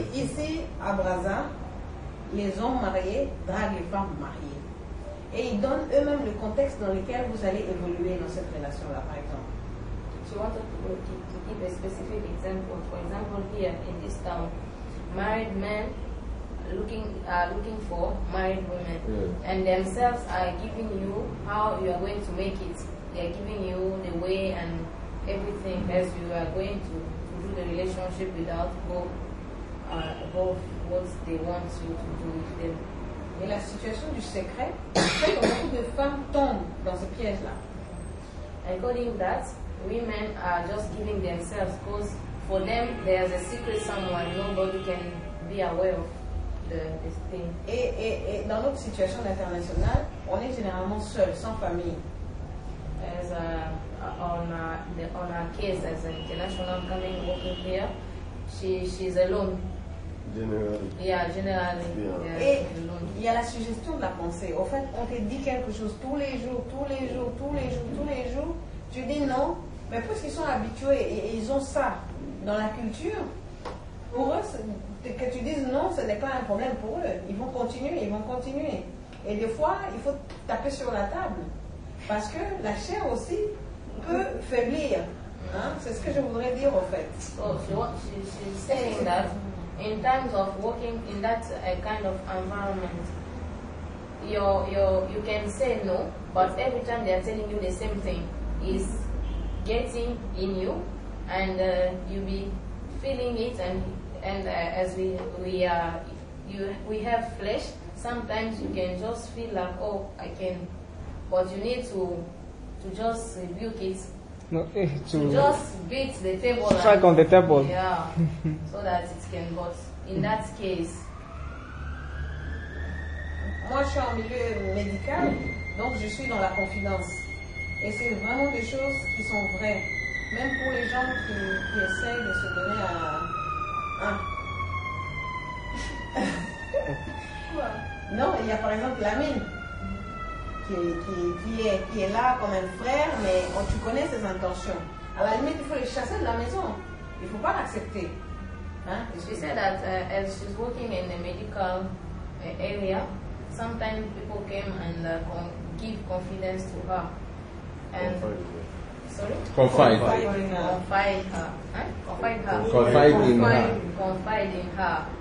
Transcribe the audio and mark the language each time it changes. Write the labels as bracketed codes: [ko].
[fr] Ici, à Braza, les hommes mariés draguent les femmes mariées. Et ils donnent eux-mêmes le contexte dans lequel vous allez évoluer dans cette relation-là, par exemple. [en] She wanted to give a specific example. For example, here in this town, married men are looking for married women, and themselves are giving you how you are going to make it. They are giving you the way and everything as you are going to do the relationship without going above what they want you to do with them. [fr] Et la situation du secret, c'est que beaucoup de femmes tombent dans ce piège-là. [en] According to that, women are just giving themselves, because for them there's a secret someone nobody can be aware of. [fr] destin. Et dans notre situation internationale, on est généralement seul, sans famille. [en] As a, on a, on a case as an international coming over here, she's alone. Generally. Yeah, generally. Yeah. [fr] Et il y a la suggestion de la pensée. En fait, on te dit quelque chose tous les jours, tous les jours, tous les jours, tous les jours. Tu dis non, mais parce qu'ils sont habitués et ils ont ça dans la culture, pour eux, que tu dises non, ce n'est pas un problème pour eux. Ils vont continuer, ils vont continuer. Et des fois, il faut taper sur la table. Parce que la chair aussi peut faiblir. Hein? C'est ce que je voudrais dire, en fait. [en] She's saying that. In terms of working in that kind of environment, you can say no, but every time they are telling you the same thing, is getting in you, and you be feeling it, and as we have flesh, sometimes you can just feel like, oh, I can, but you need to just rebuke it. No, to just beat the table. Strike on the table. Yeah, so that it can go. In that case, [fr] moi je suis en milieu médical, donc je suis dans la confidence. Et c'est vraiment des choses qui sont vraies. Même pour les gens qui essayent de se donner à. Non, il y a par exemple Lamine. Qui est là comme un frère, mais quand tu connais ses intentions. À la limite, il faut les chasser de la maison. Il ne faut pas l'accepter. Hein? [en] She said that as she's working in the medical area, sometimes people came and give confidence to her. And, confide in her.